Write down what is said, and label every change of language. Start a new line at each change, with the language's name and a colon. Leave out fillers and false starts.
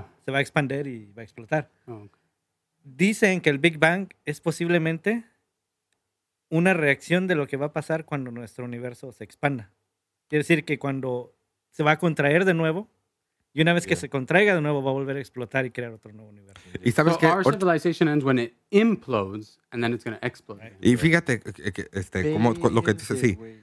Spanish: Se va a expandir y va a explotar. Oh, okay. Dicen que el Big Bang es posiblemente una reacción de lo que va a pasar cuando nuestro universo se expanda. Quiere decir que cuando se va a contraer de nuevo, y una vez que se contraiga de nuevo, va a volver a explotar y crear otro nuevo universo. Y sabes que
English: our civilization ends when it implodes and then it's going to explode.
Spanish: Right. Y fíjate que como lo que dice, sí.